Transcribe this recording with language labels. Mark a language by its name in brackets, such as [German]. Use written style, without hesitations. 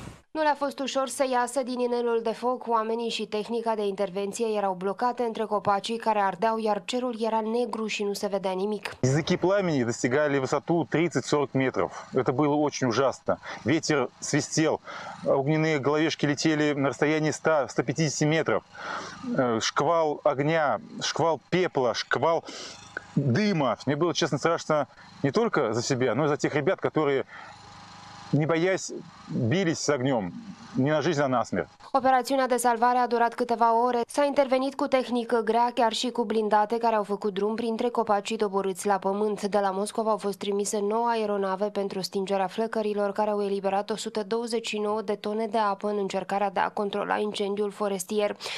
[Romanian] Nu le-a fost ușor să iasă din inelul de foc. Oamenii și tehnica de intervenție erau blocate între copacii care ardeau, iar cerul era negru și nu se vedea nimic. [Russian] Izuki plămânii достигали высоту 30-40 метров. Это было очень ужасно. Ветер свистел, огненные головешки летели на расстоянии 100-150 метров. Шквал огня, шквал пепла, шквал дыма. Мне было, честно, страшно не только за себя, но и за тех ребят, которые не боясь бились с огнём, не на жизнь, а на смерть. [Romanian] Operațiunea de salvare a durat câteva ore. S-a intervenit cu tehnică grea, chiar și cu blindate care au făcut drum printre copacii doborâți la pământ. De la Moscova au fost trimise 9 aeronave pentru stingerea flăcărilor, care au eliberat 129 de tone de apă în încercarea de a controla incendiul forestier.